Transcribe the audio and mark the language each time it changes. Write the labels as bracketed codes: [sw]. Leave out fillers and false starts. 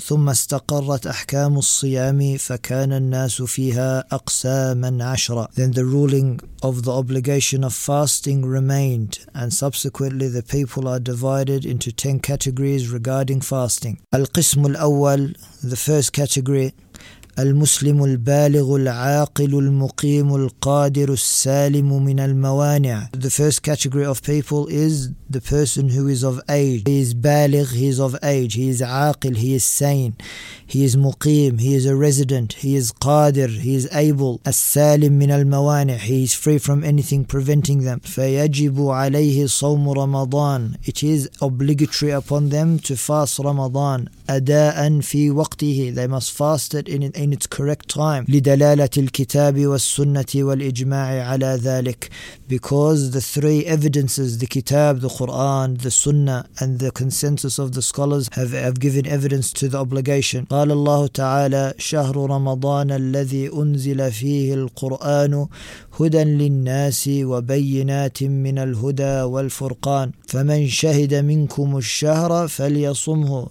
[ar] ثم استقرت أحكام الصيام فكان الناس فيها أقساما عشرة. [en] Then the ruling of the obligation of fasting remained, and subsequently the people are divided into 10 categories regarding fasting. [ar] القسم الأول, [en] the first category, [ar] المسلم البالغ العاقل المقيم القادر السالم من الموانع. [en] The first category of people is the person who is of age. He is بالغ, he is of age. He is عاقل, he is sane. He is مقيم, he is a resident. He is قادر, he is able. [ar] السالم من الموانع, [en] he is free from anything preventing them. [ar] فيجب عليه صوم رمضان. [en] It is obligatory upon them to fast Ramadan. [ar] أداء في وقته. [en] They must fast it in its correct time. [ar] لدلالة الكتاب والسنة والإجماع على ذلك. [en] Because the three evidences, the Kitab, the Quran, the Sunnah, and the consensus of the scholars have given evidence to the obligation. [ar] قال الله تعالى شهر رمضان الذي أنزل فيه القرآن هدى للناس وبينات من الهدى والفرقان فمن شهد منكم الشهر فليصمه.